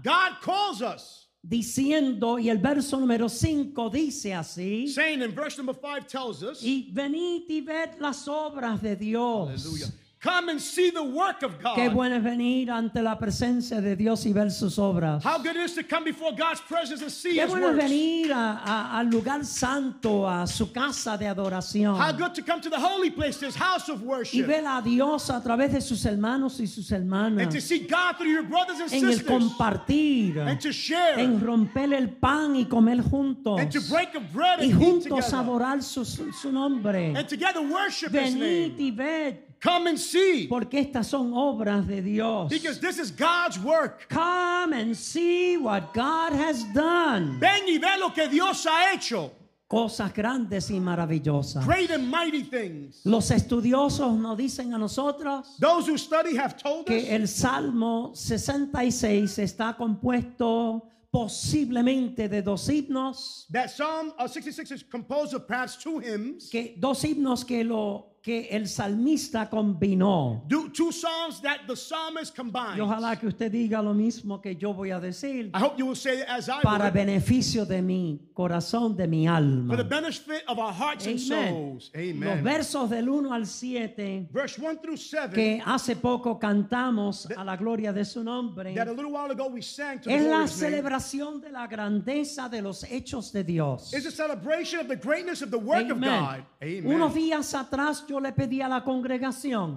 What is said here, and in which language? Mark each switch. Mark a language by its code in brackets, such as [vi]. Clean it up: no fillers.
[en] God calls us. [es] Diciendo, y el verso número 5 dice así. [en] Saying in verse number 5 tells us. [es] Y venid y ved las obras de Dios. [en] Hallelujah. Come and see the work of God. [es] Qué bueno es venir ante la presencia de Dios y ver sus obras. [en] How good it is to come before God's presence and see [es] Qué bueno [en] his works. [es] Es venir al lugar santo, a su casa de adoración. [en] How good to come to the holy place, his house of worship. [es] Y ver a Dios a través de sus hermanos y sus hermanas. [en] And to see God through your brothers and [es] en [en] sisters. [es] En el compartir. [en] And to share. [es] En romper el pan y comer juntos. [en] And to break of bread and eat together. [es] Y juntos adorar su nombre. [en] And together worship [es] Venid Y ved. [en] Come and see. [es] Porque estas son obras de Dios. [en] Because this is God's work. Come and see what God has done. [es] Ven y ve lo que Dios ha hecho. Cosas grandes y maravillosas. [en] Great and mighty things. [es] Los estudiosos nos dicen a nosotros. [en] Those who study have told [es] que [en] us. [es] Que el Salmo 66 está compuesto posiblemente de dos himnos. [en] That Psalm 66 is composed of perhaps two hymns. [es] Que dos himnos que lo que el salmista combinó. [en] Do two songs that the psalmist combined. [es] Y ojalá que usted diga lo mismo que yo voy a decir. [en] I hope you will say it as I will. [es] Para beneficio de mi corazón, de mi alma. [en] For the benefit of our hearts Amen. And souls. Amen. [es] Los versos del 1 al 7. [en] Verse 1 through 7. [es] Que hace poco cantamos a la gloria de su nombre. [en] That a little while ago we sang to the Lord's name. [es] Es la celebración de la grandeza de los hechos de Dios. [en] It's a celebration of the greatness of the work Amen. Of God. Amen. [es] Unos días atrás yo le pedí a la congregación